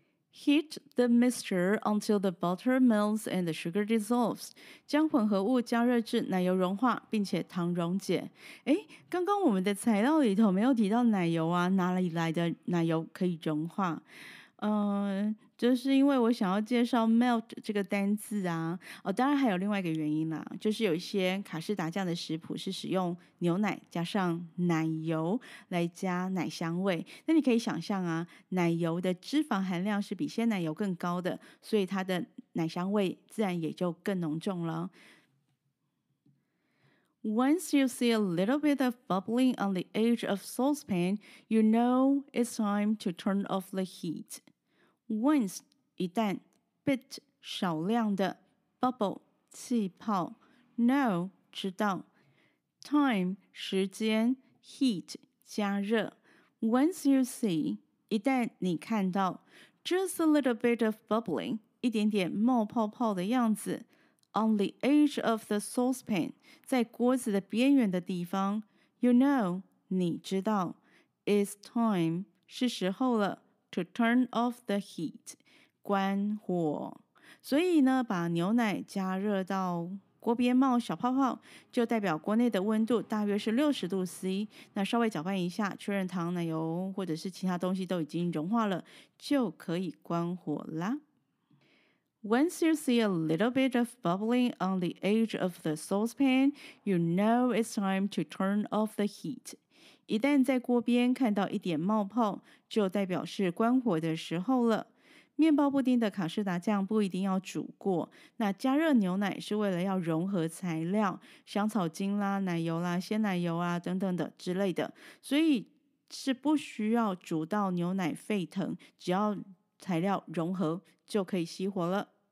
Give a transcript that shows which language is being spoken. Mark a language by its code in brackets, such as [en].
[en] Heat the mixture until the butter melts and the sugar dissolves, [zh] 将混合物加热至奶油融化并且糖溶解。诶，刚刚我们的材料里头没有提到奶油啊，哪里来的奶油可以融化？就是因为我想要介绍 melt 这个单字啊。哦，当然还有另外一个原因啦，就是有一些卡士达酱的食谱是使用牛奶加上奶油来加奶香味。那你可以想象啊，奶油的脂肪含量是比鲜奶油更高的，所以它的奶香味自然也就更浓重了。 [en] Once you see a little bit of bubbling on the edge of saucepan, you know it's time to turn off the heat. Once, 一旦 bit, 少量的 bubble, 气泡 know, 知道 time, 时间 heat, 加热 Once you see, 一旦你看到 just a little bit of bubbling, 一点点冒泡泡的样子 On the edge of the saucepan, 在锅子的边缘的地方 You know, 你知道 It's time, 是时候了 To turn off the heat, 关火 [zh] 所以呢把牛奶加热到锅边冒小泡泡就代表锅内的温度大约是60度 C 那稍微搅拌一下确认糖、奶油或者是其他东西都已经融化了就可以关火啦 [en] Once you see a little bit of bubbling on the edge of the saucepan, you know it's time to turn off the heat. [zh] 一旦在锅边看到一点冒泡，就代表是关火的时候了。面包布丁的卡士达酱不一定要煮过，那加热牛奶是为了要融合材料，香草精啦、奶油啦、鲜奶油啊等等的之类的，所以是不需要煮到牛奶沸腾，只要材料融合就可以熄火了。